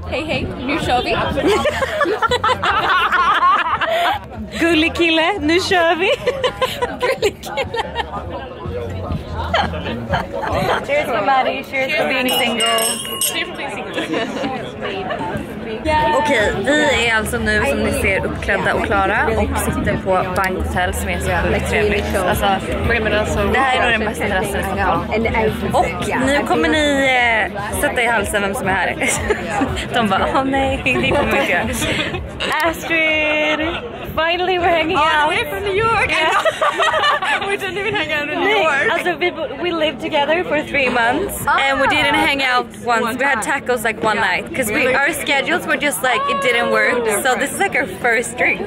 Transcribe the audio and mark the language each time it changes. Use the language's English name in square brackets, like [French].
[Swedish] Hey, hey, nu kör vi. Gullig kille, nu kör vi. Gullig kille. [English] Cheers for Maddie, cheers for being single. [Swedish] Okej, vi är alltså nu som ni ser uppklädda och klara och sitter på Bank Hotel som är så jävligt trevligt. Alltså, det här är nog den bästa terrassen i Stockholm. Och nu kommer ni sätta i halsen vem som är här. De bara, åh nej, ni kommer inte göra. Astrid! [English] Finally we're hanging out! All the way from New York! Yeah. We didn't even hang out in New York! Also, we lived together for 3 months and we didn't hang out once. We had tacos like one night because our schedules were just like, it didn't work. So this is like our first drink.